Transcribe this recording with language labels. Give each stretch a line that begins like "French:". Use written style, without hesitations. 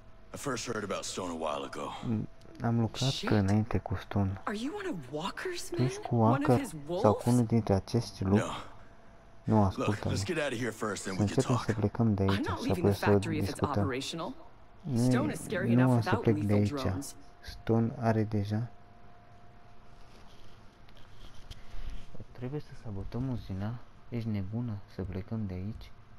English: First heard about Stone a while ago.
Romanian: Am lucrat înainte cu Stone.
English: Are you one of Walker's men?
Romanian: Ești cu Walker? Sau cu unul dintre acești lupi?
English: No.
Romanian: Nu, ascultă-mă.
English: Let's get out of here first and we can talk.
Romanian: Să plecăm de aici, să apoi să discutăm.
English: Stone is scary enough without lethal drones.
Romanian: Stone are deja. Trebuie să sabotăm uzina. Ești nebună să plecăm de aici?